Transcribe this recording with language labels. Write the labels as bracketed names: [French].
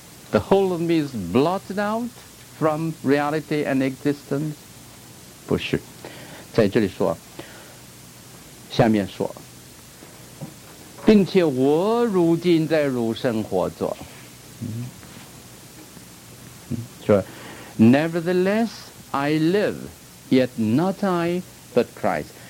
[English] The whole of me is blotted out from reality and existence? [Chinese] 不是，在这里说，下面说，并且我如今在肉身活着。说 [English] Nevertheless, I live, yet not I, but Christ.